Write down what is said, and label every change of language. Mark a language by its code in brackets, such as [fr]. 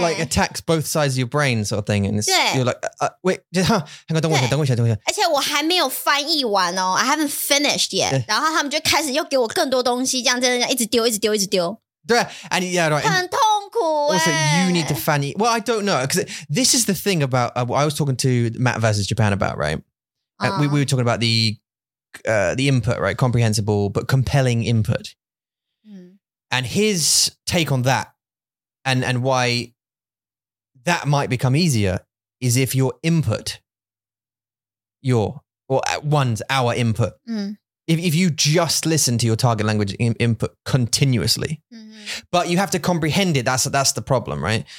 [en] like attacks both sides of your brain sort of thing, and it's, you're like, wait, [zh] 等我一下。 [en] I haven't finished yet. [zh] 然后他们就开始又给我更多东西，这样一直丢。对，很痛苦耶。 [en] Also, you need to fan it. Well, I don't know, because this is the thing about, I was talking to Matt versus Japan about, right? We were talking about the input, right? Comprehensible, but compelling input. And his take on that and why that might become easier is if your input, our input, if you just listen to your target language input continuously, but you have to comprehend it, that's the problem, right?